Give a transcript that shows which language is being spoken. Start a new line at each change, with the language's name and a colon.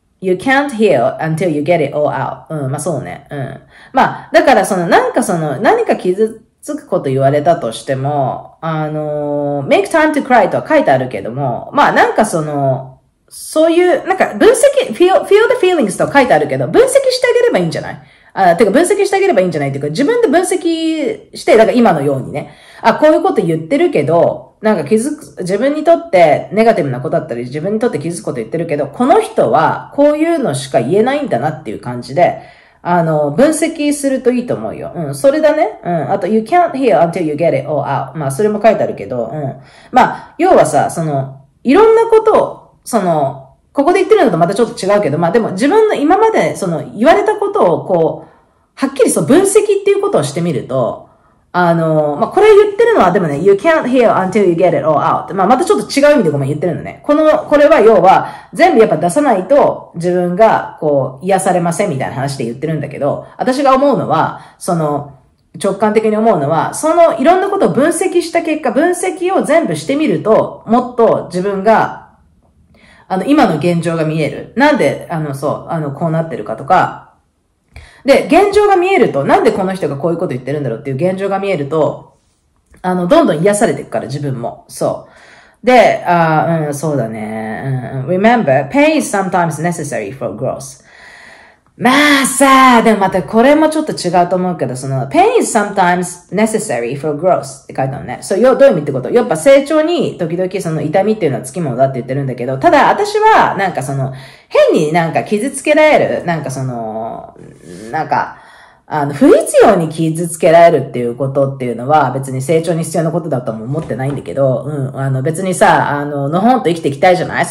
English: You can't heal until you get it all out.
Japanese: うん、まあ、そうね。うん。まあ、だから、何か傷つくこと言われたとしても、
English: make time to cry
Japanese: とは書いてあるけども、まあ、そういう、なんか、分析、
English: feel the feelings
Japanese: とは書いてあるけど、分析してあげればいいんじゃない? てか、分析してあげればいいんじゃない?てか、自分で分析して、だから今のようにね。あ、こういうこと言ってるけど、なんか気づく、自分にとってネガティブなことだったり、自分にとって気づくこと言ってるけど、この人はこういうのしか言えないんだなっていう感じで、分析するといいと思うよ。うん、それだね。うん、あと、
English: you can't heal until you get it all out。
Japanese: まあ、それも書いてあるけど、うん。まあ、要はさ、いろんなことを、ここで言ってるのとまたちょっと違うけど、まあでも自分の今まで言われたことをこう、はっきり分析っていうことをしてみると、まあ、これ言ってるのはでもね、
English: you can't heal until you get it all out。
Japanese: まあ、またちょっと違う意味でごめん言ってるのね。これは要は、全部やっぱ出さないと自分がこう、癒されませんみたいな話で言ってるんだけど、私が思うのは、直感的に思うのは、いろんなことを分析した結果、分析を全部してみると、もっと自分が、今の現状が見える。なんで、こうなってるかとか、で、現状が見えると、なんでこの人がこういうこと言ってるんだろうっていう現状が見えると、どんどん癒されていくから、自分も。そう。で、うん、そうだね。
English: Remember, pain is sometimes necessary for growth.
Japanese: まあさあ、でもまたこれもちょっと違うと思うけど、その、
English: pain is sometimes necessary for growth
Japanese: って書いたのね。そう、どういう意味ってこと？やっぱ成長に時々その痛みっていうのはつきものだって言ってるんだけど、ただ私はなんかその、変になんか傷つけられる、なんかその、なんか、あの、不必要に傷つけられるっていうことっていうのは別に成長に必要なことだとも思ってないんだけど、うん、あの別にさ、あの、のほんと生きていきたいじゃない？